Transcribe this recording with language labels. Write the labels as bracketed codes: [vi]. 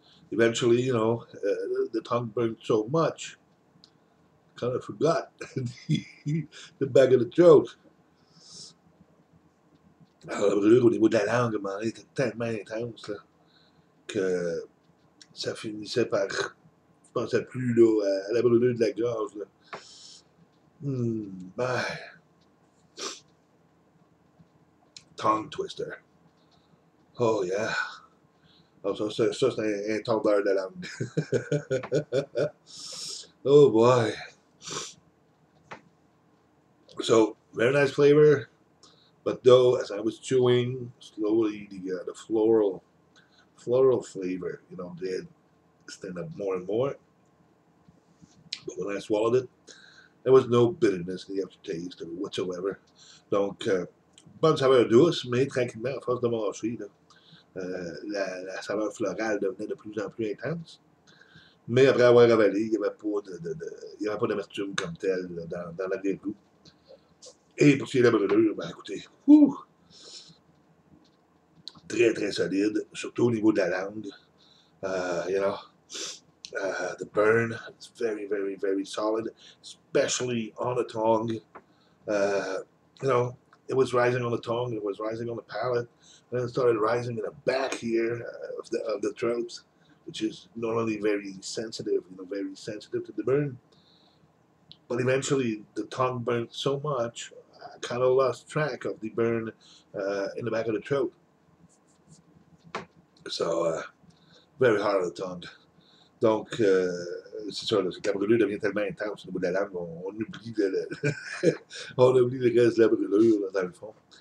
[en] Eventually, you know, the tongue burned so much, kind of forgot the back of the throat. [fr] Alors, la brûlure au niveau de la langue, à un moment donné, était tellement intense là, que ça finissait par. Je ne pensais plus là, à la brûlure de la gorge. [en] Tongue twister. Oh, yeah. [fr] Alors, ça c'est un tordeur de langue. [en] Oh, boy. So, very nice flavor. But though, as I was chewing slowly, the floral flavor, you know, did stand up more and more. But when I swallowed it, there was no bitterness in the aftertaste or whatsoever. [fr] Donc, bonne saveur douce, mais tranquillement, à force de manger, la saveur florale devenait de plus en plus intense. Mais après avoir avalé, il n'y avait pas d'amertume comme telle là, dans l'arrière-goût. Et pour ce qui est de la brûlure, ben écoutez, très très solide, surtout au niveau de la langue. [en] The burn is very, very, very solid, especially on the tongue. It was rising on the tongue, it was rising on the palate, and it started rising in the back here of the throat, which is normally very sensitive, you know, very sensitive to the burn. But eventually, the tongue burnt so much. I kind of lost track of the burn in the back of the throat. So, very hard on the tongue. [fr] Donc, c'est ça, la brûlure devient tellement intense au niveau de la langue, on oublie le reste de la brûlure là, dans le fond.